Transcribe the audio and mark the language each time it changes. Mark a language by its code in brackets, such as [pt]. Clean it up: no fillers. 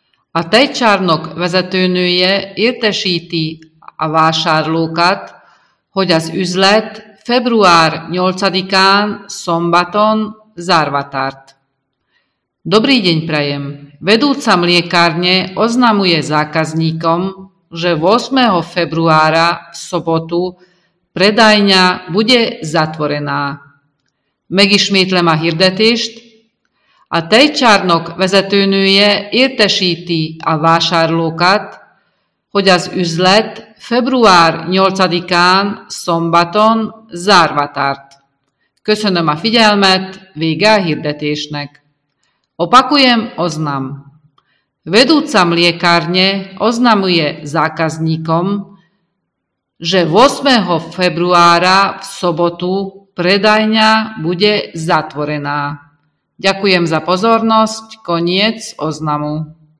[hu] A tejcsárnok vezetőnője értesíti a vásárlókat, hogy az üzlet február 8-án szombaton zárva tart. [sk] Dobrý deň prajem! Vedúca mliekárne oznamuje zákazníkom, že 8. februára v sobotu predajňa bude zatvorená. [hu] Megismétlem a hirdetést. A tejcsárnok vezetőnője értesíti a vásárlókat, hogy az üzlet február 8-án szombaton zárva tart. Köszönöm a figyelmet, vége a hirdetésnek. [sk] Opakujem, oznam. Vedúca mliekárne oznamuje zákazníkom, že 8. februára v sobotu predajňa bude zatvorená. Ďakujem za pozornosť. Koniec oznamu.